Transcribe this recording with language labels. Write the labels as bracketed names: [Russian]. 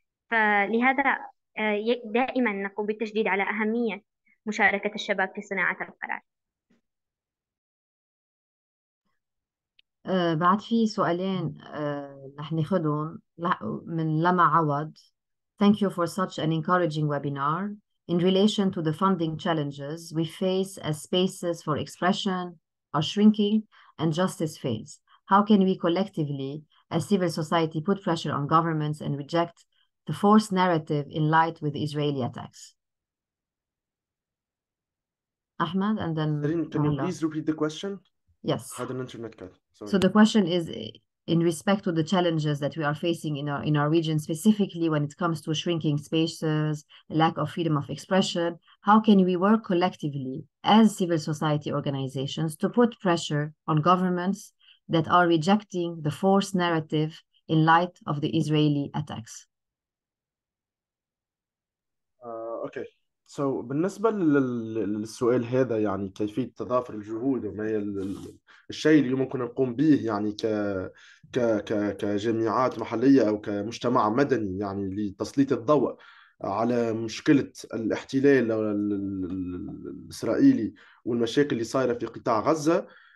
[Arabic] فلهذا دائما نقوم بالتشديد على أهمية مشاركة الشباب في صناعة القرار. بعد في سؤالين رح ناخذهم من لما عوض. [English] Thank you for such an encouraging webinar. In relation to the funding challenges we face as spaces for expression are shrinking and justice fails, how can we collectively, as civil society, put pressure on governments and reject the false narrative in light with the Israeli attacks? Ahmed, and then Sarin, can you please repeat the question? Yes. Had an internet cut. Sorry. So the question is in respect to the challenges that we are facing in our region, specifically when it comes to shrinking spaces, lack of freedom of expression, how can we work collectively as civil society organizations to put pressure on governments that are rejecting the false narrative in light of the Israeli attacks? Okay. [Arabic] So بالنسبة للسؤال هذا، يعني كيفية تضافر الجهود وما هي الشيء اللي ممكن نقوم به، يعني ك ك ك كجامعات محلية أو كمجتمع مدني، يعني لتسليط الضوء على مشكلة الاحتلال الإسرائيلي والمشاكل اللي صايرة في قطاع غزة.